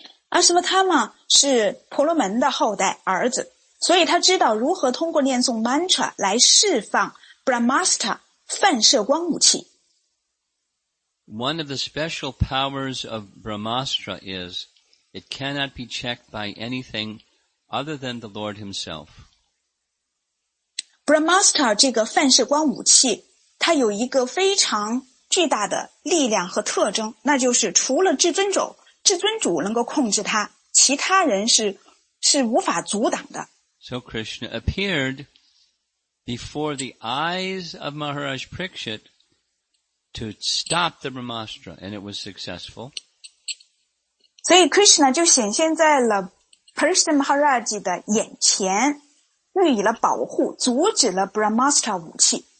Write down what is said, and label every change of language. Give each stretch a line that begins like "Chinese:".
Chinese: Ashvatthama 是婆罗门的后代儿子， 所以他知道如何通过念诵 mantra 来释放 brahmastra 反射光武器。
English: One of the special powers of brahmastra is it cannot be checked by anything other than the Lord himself.
Chinese: Brahmastra 这个反射光武器， 它有一个非常巨大的力量和特征， 那就是除了至尊主， 至尊主能够控制它， 其他人是无法阻挡的。
English: So Krishna appeared before the eyes of Maharaj Parikshit to stop the Brahmastra, and it was successful.
Chinese: 所以Krishna就显现在了 Parikshit Maharaj的眼前， 予以了保护， 阻止了Brahmastra武器。